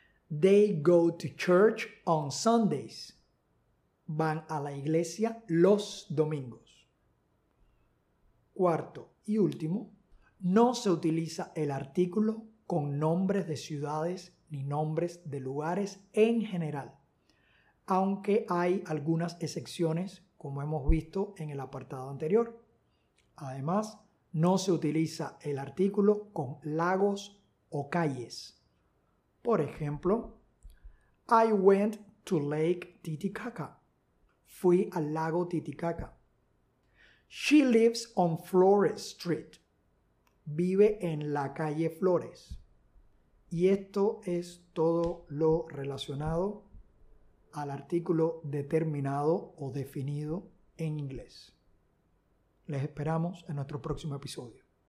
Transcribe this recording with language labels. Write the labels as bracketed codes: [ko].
[en] They go to church on Sundays. [es] Van a la iglesia los domingos. Cuarto y último, no se utiliza el artículo con nombres de ciudades ni nombres de lugares en general, aunque hay algunas excepciones, como hemos visto en el apartado anterior. Además, no se utiliza el artículo con lagos o calles. Por ejemplo, [en] I went to Lake Titicaca. [es] Fui al lago Titicaca. [en] She lives on Flores Street. [es] Vive en la calle Flores. Y esto es todo lo relacionado al artículo determinado o definido en inglés. Les esperamos en nuestro próximo episodio.